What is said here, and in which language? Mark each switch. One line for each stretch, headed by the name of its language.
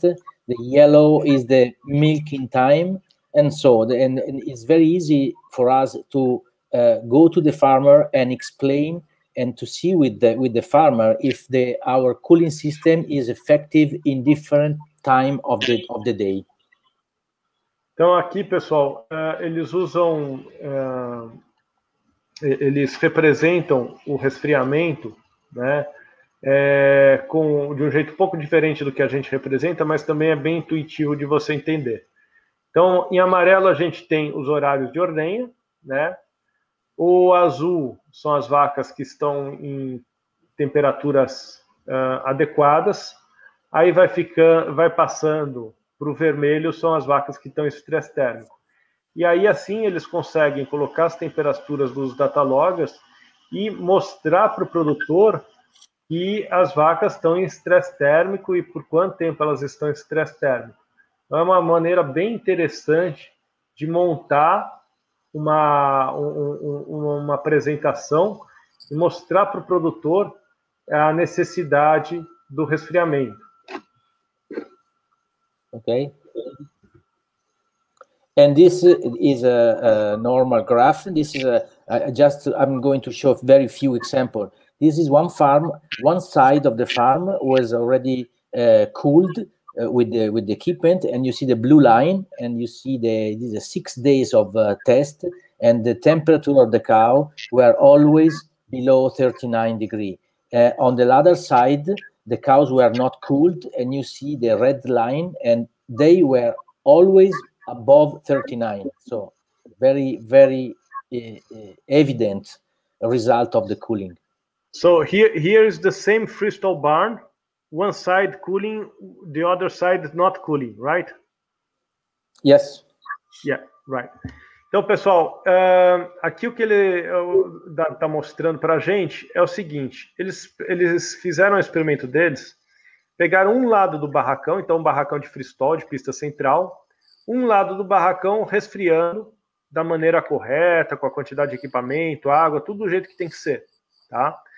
English: The yellow is the milking time, and so and it's very easy for us to go to the farmer and explain and to see with the farmer if our cooling system is effective in different time of the day.
Portuguese: Então aqui, pessoal, eles usam eles representam o resfriamento, né, de um jeito um pouco diferente do que a gente representa, mas também é bem intuitivo de você entender. Então, em amarelo a gente tem os horários de ordenha, né? O azul são as vacas que estão em temperaturas adequadas. Aí vai passando para o vermelho, são as vacas que estão em estresse térmico. E aí, assim, eles conseguem colocar as temperaturas dos data loggers e mostrar para o produtor que as vacas estão em estresse térmico e por quanto tempo elas estão em estresse térmico. Então, é uma maneira bem interessante de montar uma apresentação e mostrar para o produtor a necessidade do resfriamento. Ok.
English: And this is a normal graph. This is I'm going to show very few examples. This is one farm. One side of the farm was already cooled with the equipment, and you see the blue line, and you see this is 6 days of test, and the temperature of the cow were always below 39 degrees. On the other side, the cows were not cooled, and you see the red line, and they were always above 39, so very, very evident result of the cooling. So here is the same freestall barn, one side cooling, the other side not cooling, right? Yes. Yeah, right.
Portuguese: Então, pessoal, aqui o que ele está mostrando para a gente é o seguinte, eles fizeram um experimento deles, pegaram um lado do barracão, então um barracão de freestall, de pista central, um lado do barracão resfriando da maneira correta, com a quantidade de equipamento, água, tudo do jeito que tem que ser, tá?